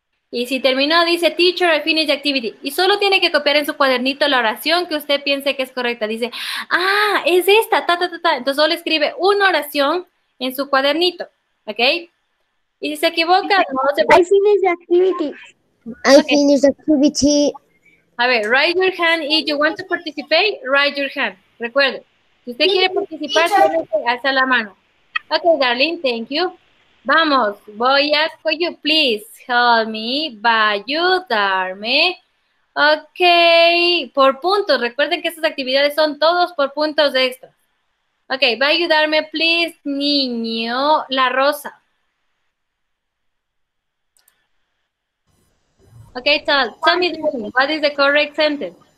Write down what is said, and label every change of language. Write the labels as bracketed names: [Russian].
[Spanish] Y si terminó, dice, [English] teacher, I finished the activity. [Spanish] Y solo tiene que copiar en su cuadernito la oración que usted piense que es correcta. Dice, ah, es esta, ta, ta, ta, ta. Entonces solo escribe una oración en su cuadernito. ¿Ok? Y si se equivoca, no se [English] puede. I finished the activity. Okay. I finished the activity. [Spanish] A ver, [English] raise your hand. If you want to participate, raise your hand. [Spanish] Recuerde, si usted quiere participar, alza la mano. [English] Ok, darling, thank you. Vamos, voy a ask for you, please help me by ayudarme. [Spanish] Ok, por puntos, recuerden que estas actividades son todos por puntos extra. Ok, va a ayudarme, please, niño, la rosa. [English] Ok, so, tell me, what is the correct sentence?